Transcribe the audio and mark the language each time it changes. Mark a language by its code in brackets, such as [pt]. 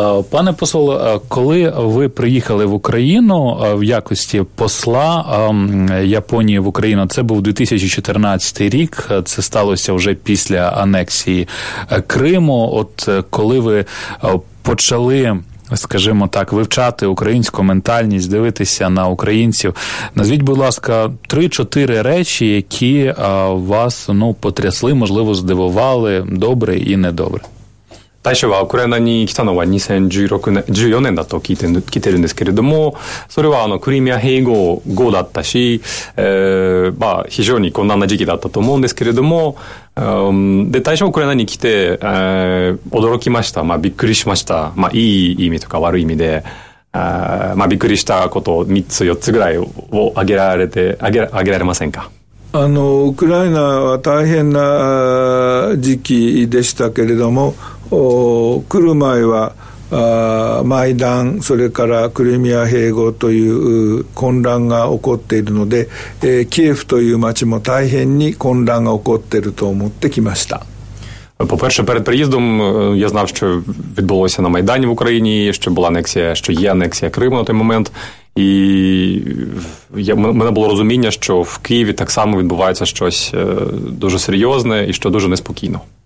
[uk] Пане посол, коли ви приїхали в Україну в якості посла Японії в Україну, це був 2014 рік, це сталося вже після анексії Криму, от коли ви почали, скажімо так, вивчати українську ментальність, дивитися на українців, назвіть, будь ласка, 3-4 речі, які вас, ну, потрясли, можливо, здивували, добре і недобре. [ja] 最初はウクライナに来たのは2016年、14年だと聞いて、聞いてるんですけれども、それはクリミア併合後だったし、まあ非常に困難な時期だったと思うんですけれども、で、最初ウクライナに来て、驚きました。まあびっくりしました。まあいい意味とか悪い意味で、まあびっくりしたことを3つ、4つぐらいを挙げられませんか? ウクライナは大変な時期でしたけれども、来る前はマイダン、それからクリミア併合という混乱が起こっているので、キエフという町も大変に混乱が起こっていると思ってきました。 [uk] По-перше, перед приїздом я знав, що відбулося на Майдані в Україні, що була анексія, що є анексія Криму на той момент. І в мене було розуміння, що в Києві так само відбувається щось дуже серйозне і що дуже неспокійно.